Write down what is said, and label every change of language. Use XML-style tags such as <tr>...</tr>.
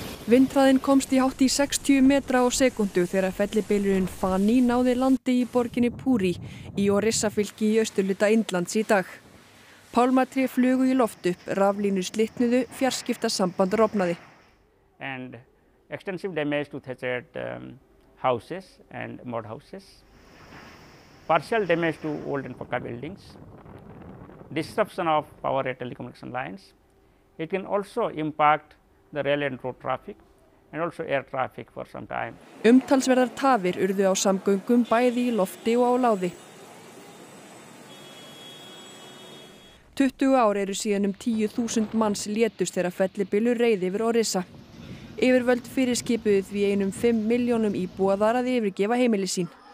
<is>Vindhraðin komst í hátt í 60 metra á sekundu þegar fellibylurinn Fani náði landi í borginni Puri í Orissa-fylki í austurhluta Indlands í dag. Pálmatré flugu í loft upp, raflínur slitnuðu, fjarskiptasamband rofnaði.</is> <en>And extensive damage to thatched houses and mud houses. Partial damage to old and pakka buildings. Disruption of power and telecommunication lines. It can also impact the rail and road traffic and also air traffic for some time.</en> <is>Umtalsverðar tafir urðu á samgöngum bæði í lofti og á láði. 20 ár eru síðan 10.000 manns létust þegar fellibylur reið yfir Orissa. Yfirvöld fyrirskipuðu því 5 milljónum íbúa þar að yfirgefa heimili sín.</is>